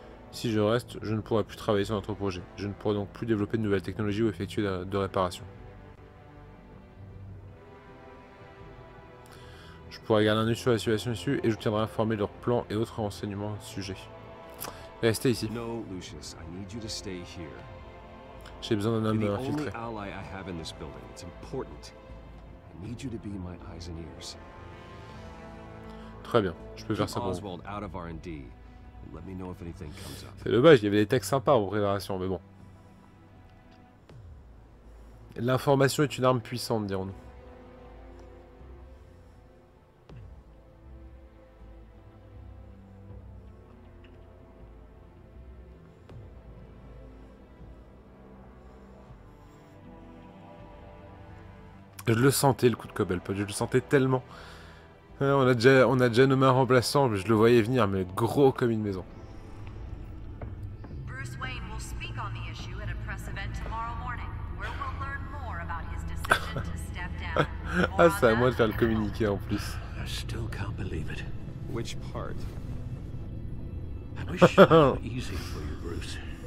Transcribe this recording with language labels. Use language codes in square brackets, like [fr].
[fr] Si je reste, je ne pourrai plus travailler sur notre projet. Je ne pourrai donc plus développer de nouvelles technologies ou effectuer de réparations. Je pourrai garder un œil sur la situation issue et je tiendrai informé de leurs plans et autres renseignements à ce sujet. Restez ici. [en] Non, Lucius, I need you to stay here. [fr] J'ai besoin d'un homme infiltré. C'est le seul allié que j'ai dans ce bâtiment. C'est important. J'ai besoin d'être mes yeux et oreilles. Très bien, je peux faire ça pour [en] Oswald out of R&D. Let me know if anything comes up. [fr] C'est dommage, il y avait des textes sympas aux préparations, mais bon. L'information est une arme puissante, dirons-nous. Je le sentais, le coup de cobble, je le sentais tellement. On a déjà nommé un remplaçant, mais je le voyais venir, mais gros comme une maison. [en] Bruce Wayne will speak on the issue at a press event tomorrow morning, where we'll learn more about his decision to step down. [fr] Ah, c'est à moi de faire le communiqué en plus. [en] I still can't believe it. Which part? I wish it was easy for you, Bruce.